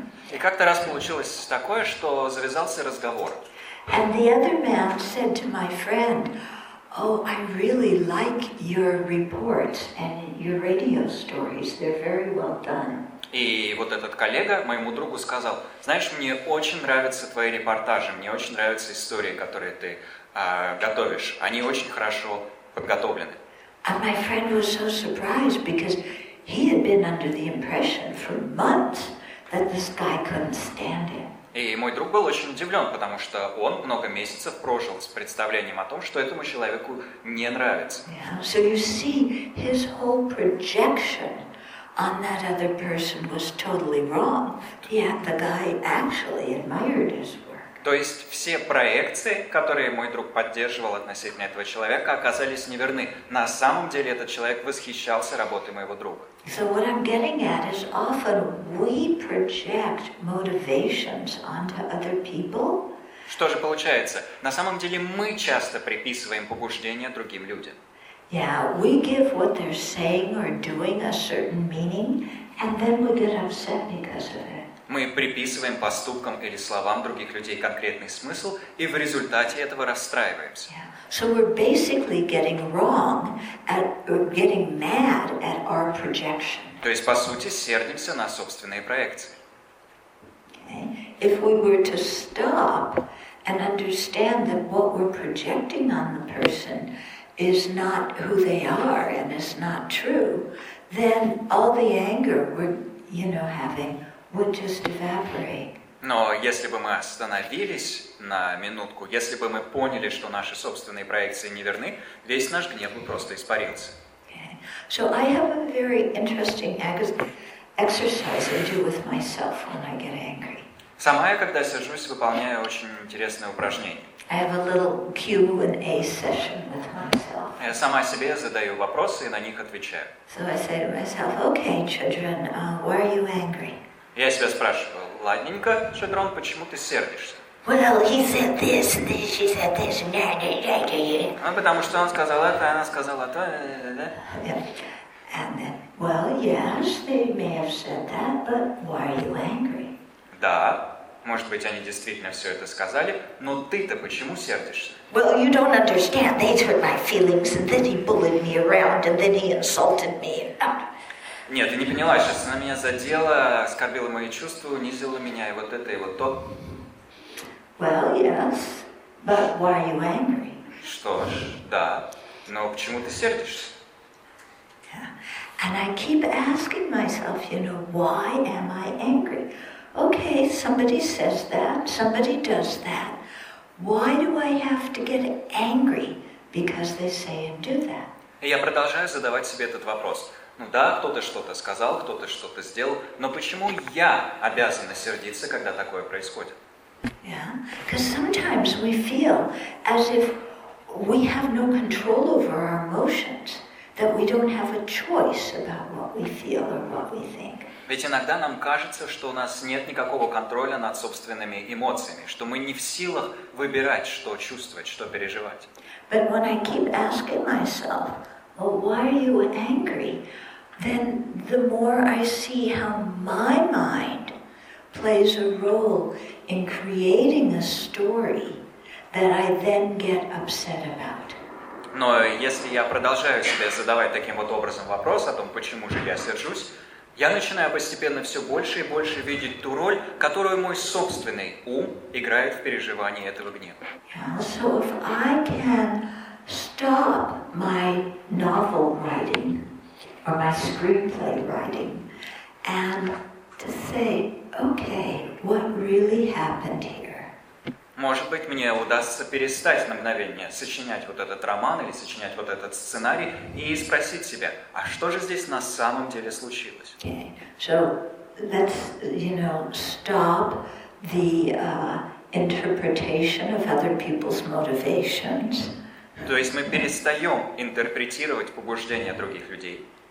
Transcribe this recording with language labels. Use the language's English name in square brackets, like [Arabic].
[Russian] И как-то раз получилось такое, что завязался разговор. [English] And the other man said to my friend, "Oh, I really like your reports and your radio stories. They're very well done." [Russian] И вот этот коллега моему другу сказал: "Знаешь, мне очень нравятся твои репортажи, мне очень нравятся истории, которые ты готовишь. Они очень хорошо подготовлены." [English] And my friend was so surprised because he had been under the impression for months that this guy couldn't stand him. [Russian] И мой друг был очень удивлен, потому что он много месяцев прожил с представлением о том, что этому человеку не нравится. [English] Yeah. So you see, his whole projection on that other person was totally wrong. Yeah, the guy actually admired his work. [Russian] То есть все проекции, которые мой друг поддерживал относительно этого человека, оказались неверны. На самом деле этот человек восхищался работой моего друга. [English] So what I'm getting at is often we project motivations onto other people. [Russian] Что же получается? На самом деле мы часто приписываем побуждения другим людям. [English] Yeah, we give what they're saying or doing a certain meaning, and then we get upset because of it. [Russian] Мы приписываем поступкам или словам других людей конкретный смысл, и в результате этого расстраиваемся. [English] Yeah. So we're basically getting wrong at getting mad at our projection. [Russian] То есть, по сути, сердимся на собственные проекции. [English] Okay. If we were to stop and understand that what we're projecting on the person is not who they are and is not true, then all the anger we're, you know, having would just evaporate. [Russian] Но если бы мы остановились на минутку, если бы мы поняли, что наши собственные проекции неверны, весь наш гнев бы просто испарился. [English] Okay. So I have a very interesting exercise I do with myself when I get angry. [Russian] Сама я, когда сержусь, выполняю очень интересное упражнение. [English] I have a little Q&A session with myself. [Russian] Я сама себе задаю вопросы и на них отвечаю. [English] So I say to myself, "Okay, children, why are you angry?" [Russian] Я себя спрашиваю: ладненько, Шедрон, почему ты сердишься? [English] Well, he said this, and then she said this, and then she said this. [Russian] Ну, потому что он сказал это, она сказала то, да? [English] Yeah. And then, well, yes, they may have said that, but why are you angry? [Russian] Да, может быть, они действительно все это сказали, но ты-то почему сердишься? [English] Well, you don't understand. They hurt my feelings, and then he bullied me around, and then he insulted me. [Russian] Нет, ты не поняла, сейчас она меня задела, оскорбила мои чувства, унизила меня, и вот это, и вот то. [English] Well, yes, but why are you angry? [Russian] Что ж, да, но почему ты сердишься? [English] Yeah. And I keep asking myself, you know, why am I angry? Okay, somebody says that, somebody does that. Why do I have to get angry because they say and do that? [Russian] И я продолжаю задавать себе этот вопрос. Ну да, кто-то что-то сказал, кто-то что-то сделал, но почему я обязана сердиться, когда такое происходит? [English] Yeah, because sometimes we feel as if we have no control over our emotions, that we don't have a choice about what we feel or what we think. [Russian] Ведь иногда нам кажется, что у нас нет никакого контроля над собственными эмоциями, что мы не в силах выбирать, что чувствовать, что переживать. [English] But when I keep asking myself, "Well, why are you angry?" Then the more I see how my mind plays a role in creating a story that I then get upset about. [Russian] Но если я продолжаю себе задавать таким вот образом вопрос о том, почему же я сержусь, я начинаю постепенно все больше и больше видеть ту роль, которую мой собственный ум играет в переживании этого гнева. [English] So if I can stop my novel writing or my screenplay writing and to say, okay, what really happened here? [Russian] Может быть, мне удастся перестать на мгновение сочинять вот этот роман или сочинять вот этот сценарий и спросить себя, а что же здесь на самом деле случилось? [English] Okay. So let's, you know, stop the interpretation of other people's motivations. [Russian] То есть мы перестаем интерпретировать побуждения других людей.